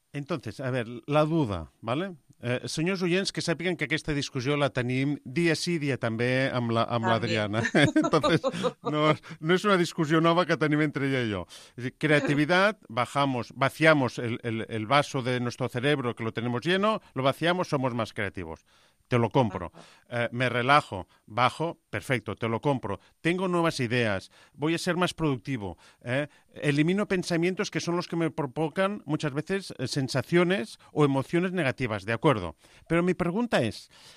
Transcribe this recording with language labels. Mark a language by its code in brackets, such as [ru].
[es] Entonces, a ver, la duda, ¿vale? [ca] Senyors oients, que sàpiguen que aquesta discussió la tenim dia sí, dia també amb l'Adriana. [es] Entonces, [ca] no és una discussió nova que tenim entre ella i jo. [es] Creativitat, vaciamos el vaso de nuestro cerebro que lo tenemos lleno, lo vaciamos, somos más creativos. Te lo compro. Me relajo, bajo, perfecto, te lo compro. Tengo nuevas ideas, voy a ser más productivo. Elimino pensamientos que son los que me provocan muchas veces sensaciones o emociones negativas, ¿de acuerdo? Pero mi pregunta es,